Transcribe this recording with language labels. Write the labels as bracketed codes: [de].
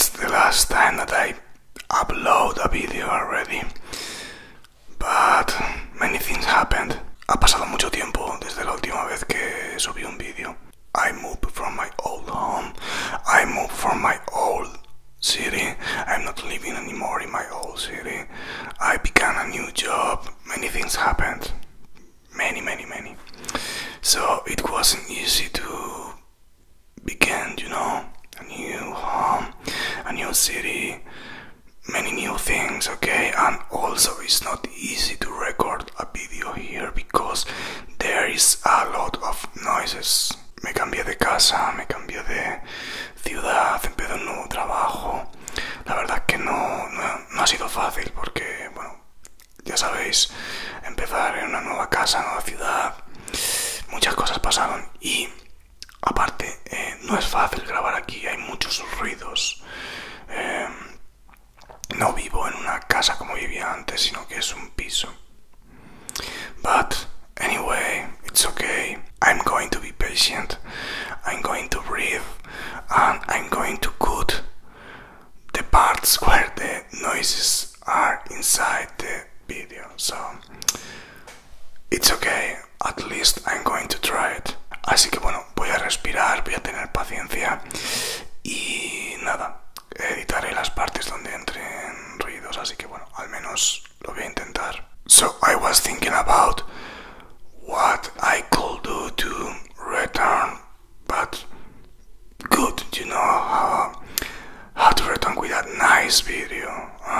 [en] upload a video already, but many things happened. [es] Ha pasado mucho tiempo desde la última vez que subí un video. [en] I moved from my old home. I moved from my old city. I'm not living anymore in my old city. I began a new job. Many things happened. Many. So it wasn't easy to begin, you know, a new home, a new city, many new things, okay? And also it's not easy to record a video here because there is a lot of noises. [es] Me cambié de casa, me cambié de ciudad, empecé un nuevo trabajo. La verdad es que no ha sido fácil porque, bueno, ya sabéis, empezar en una nueva casa, nueva ciudad, muchas cosas pasaron. Y aparte, no es fácil grabar aquí, hay muchos ruidos. No vivo en una casa como vivía antes, sino que es un piso. [en] But anyway, it's okay. I'm going to be patient. I'm going to breathe. And I'm going to cut the parts where the noises are inside the video. So it's okay. At least I'm going to try it. [es] Así que bueno, voy a respirar, voy a tener paciencia. Y nada, editaré las partes donde entren ruidos. Así que bueno, al menos lo voy a intentar. [en] So I was thinking about what I could do to return, but good, you know, how to return with that nice video.